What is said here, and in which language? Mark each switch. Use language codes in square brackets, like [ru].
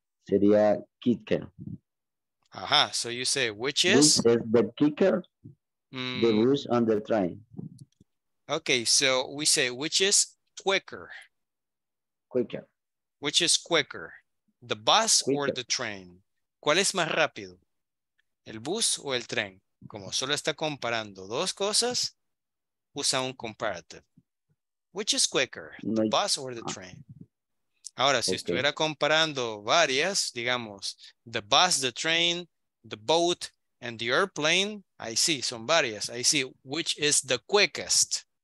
[es] Sería kicker. [en] Aha. So you say, which is? Which is the kicker, the bus on the train. Okay. So we say, which is quicker? Quicker. Which is quicker, the bus quicker. Or the train? [es] ¿Cuál es más rápido, el bus o el tren? Como solo está comparando dos cosas, usa un comparative. [en] Which is quicker, the bus or the train? [es] Ahora, si estuviera comparando varias, digamos, [en] the bus, the train, the boat, and the airplane, I see, [es] son varias. [en] I see, which is the quickest?